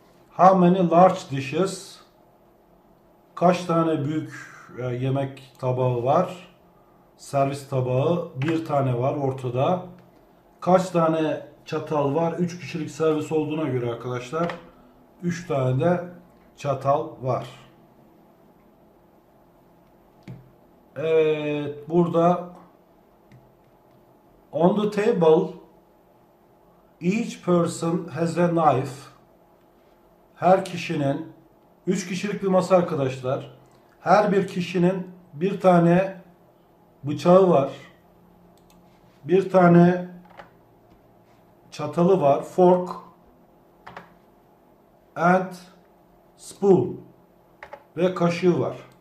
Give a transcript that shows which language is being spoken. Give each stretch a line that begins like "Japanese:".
English: How many large dishes?
Turkish: Kaç tane büyük yemek tabağı var? Servis tabağı 1 tane var ortada. Kaç tane çatal var? 3 kişilik servis olduğuna göre arkadaşlar 3 tane de çatal var. Evet, burada
English: on the table each person has a knife.
Turkish: Her kişinin, 3 kişilik bir masa arkadaşlar, her bir kişinin bir tane bıçağı var, bir tane çatalı var,
English: fork and spoon
Turkish: ve kaşığı var.